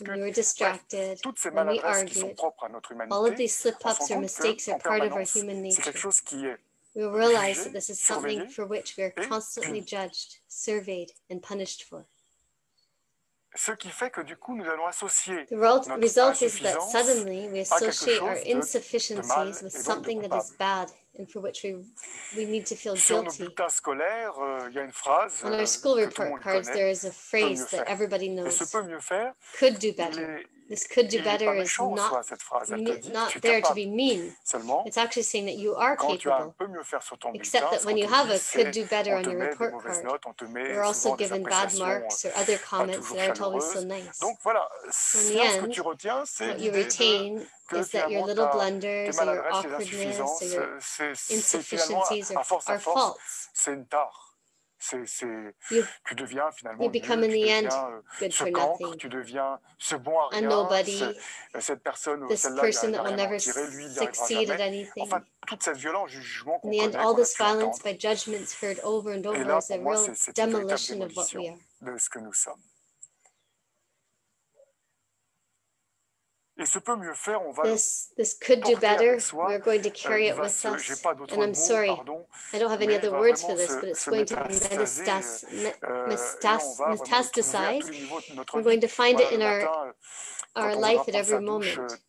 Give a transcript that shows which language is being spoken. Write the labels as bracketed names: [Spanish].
[English] when we were distracted, when we argued, all of these slip-ups or mistakes are part of our human nature. We realize that this is something for which we are constantly judged, surveyed, and punished for. [French] Ce qui fait que du coup nous allons associer [English] the result is that suddenly we associate our insufficiencies with something that is bad and for which we need to feel guilty. On our school report cards, there is a phrase that everybody knows. Could do better. This could do better is not there to be mean. It's actually saying that you are capable, except that when you have a could do better on your report card, you're also given bad marks or other comments that aren't always so nice. In the end, what you retain is that your little blunders or your awkwardness or your insufficiencies are false. [French] Tu deviens finalement tu deviens ce bon à rien, cette personne ou celle-là qui n'a rien tiré, lui, il n'y arrivera jamais. Enfin, toute cette violence, jugement qu'on connaît, [English] all this violence by judgments heard over and over is a real demolition of what we are. [French] De ce que nous sommes. Et ce peut mieux faire, on va [English] this could do better, we're going to carry it with us, and I'm sorry, I don't have any other words for this, but it's going to metastasize, we're going to find it in our life at every moment.